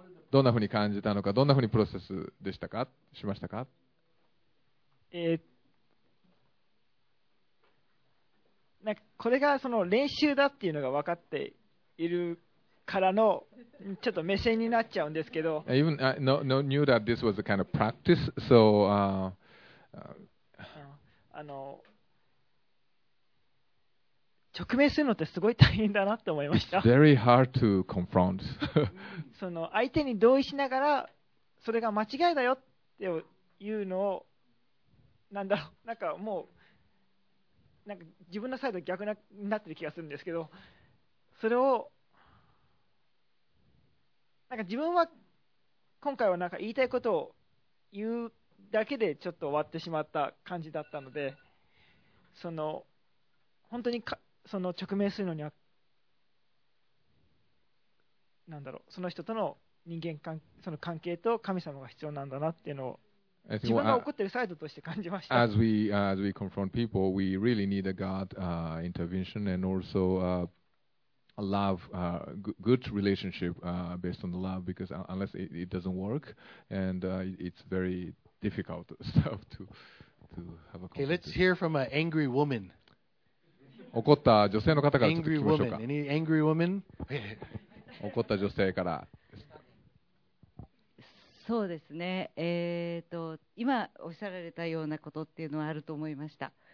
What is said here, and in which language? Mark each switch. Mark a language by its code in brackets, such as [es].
[ja] どんなふうに感じたのか、どんなふうにプロセスでしたか、しましたか。なんかこれがその練習だっていうのが分かっているからのちょっと目線になっちゃうんですけど。 [en] Even no knew that this was a kind of practice, so [ja] あの直面するのってすごい大変だなと思いました。 [en] It's very hard to confront. [ja] その相手に同意しながらそれが間違いだよっていうのをなんだろう、なんかもうなんか自分のサイド逆になってる気がするんですけど、それをなんか自分は今回はなんか言いたいことを言うだけでちょっと終わってしまった感じだったので、その本当にかその直面するのには、なんだろう、その人との人間関係、その関係と神様が必要なんだなっていうのを自分が怒ってるサイドとして感じました。 [en] As we confront people, we really need a God intervention and also a love, good relationship based on the love, because unless it doesn't work, and it's very difficult stuff to have a conversation. Okay, let's hear from an angry woman. [ja] 怒った女性の方からちょっと聞きましょうか。 [en] Angry woman? [ja] 怒った女性から。そうですね、今おっしゃられたようなことっていうのはあると思いました。